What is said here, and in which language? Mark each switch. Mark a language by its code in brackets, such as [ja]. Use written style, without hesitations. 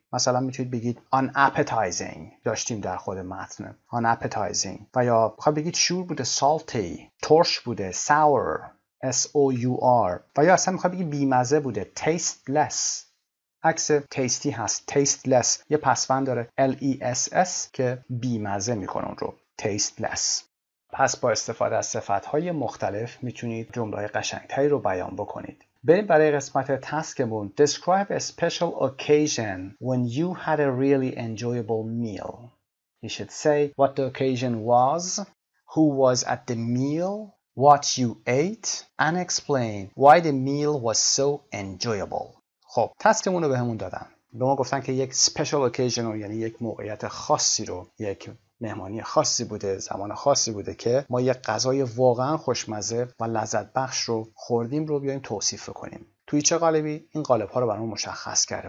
[fa] مثلا میتونید بگید unappetizing داشتیم در خود متن unappetizing, و یا بخواید بگید شور بوده salty, ترش بوده sour s-o-u-r, و یا اصلا میخواید بگید بیمزه بوده tasteless. عکس tasty هست tasteless, یه پسوند داره l-e-s-s که بیمزه میکنه اون رو tasteless. پس با استفاده از صفتهای مختلف میتونید جمله‌های قشنگتری رو بیان بکنید. بریم برای قسمت تسکمون. [en] Describe a special occasion when you had a really enjoyable meal. You should say what the occasion was, who was at the meal, what you ate, and explain why the meal was so enjoyable. [fa] خب تسکمون رو به همون دادن. به ما گفتن که یک special occasion رو, یعنی یک موقعیت خاصی رو, یک مهمانی خاصی بوده, زمان خاصی بوده که ما یک غذای واقعا خوشمزه و لذت بخش رو خوردیم رو بیایم توصیف کنیم. توی چه قالبی؟ این قالب ها رو برامون مشخص کرده.